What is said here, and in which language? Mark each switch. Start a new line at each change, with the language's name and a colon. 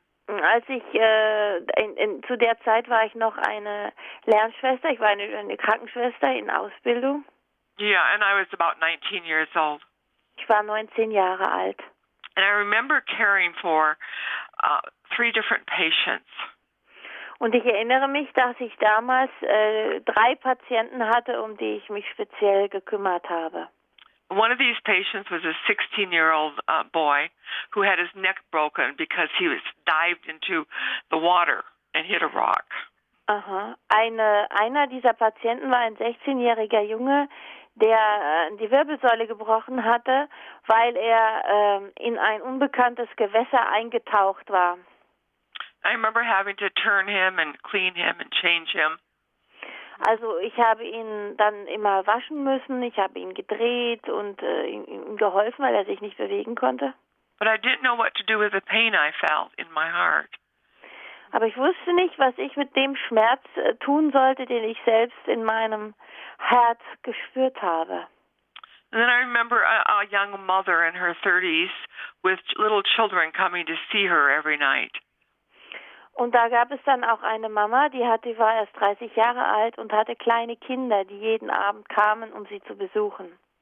German: als ich zu der Zeit war ich noch eine Lernschwester, ich war eine Krankenschwester in Ausbildung.
English: Yeah, and I was about 19 years old.
German: Ich war 19 Jahre alt.
English: And I remember caring for three different patients.
German: Und ich erinnere mich, dass ich damals drei Patienten hatte, um die ich mich speziell gekümmert habe.
English: One of these patients was a 16-year-old boy who had his neck broken because he was dived into the water and hit a rock.
German: Einer dieser Patienten war ein 16-jähriger Junge, der die Wirbelsäule gebrochen hatte, weil er in ein unbekanntes Gewässer eingetaucht war.
English: I remember having to turn him and clean him and change him.
German: Also ich habe ihn dann immer waschen müssen, ich habe ihn gedreht und ihm geholfen, weil er sich nicht bewegen konnte.
English: But I didn't know what to do with the pain I felt in my heart.
German: Aber ich wusste nicht, was ich mit dem Schmerz tun sollte, den ich selbst in meinem Herz gespürt habe.
English: And then I remember a young mother in her 30s with little children coming to see her every night.
German: Und da gab es dann auch eine Mama, die war erst 30 Jahre alt und hatte kleine Kinder, die jeden Abend kamen, um sie zu besuchen.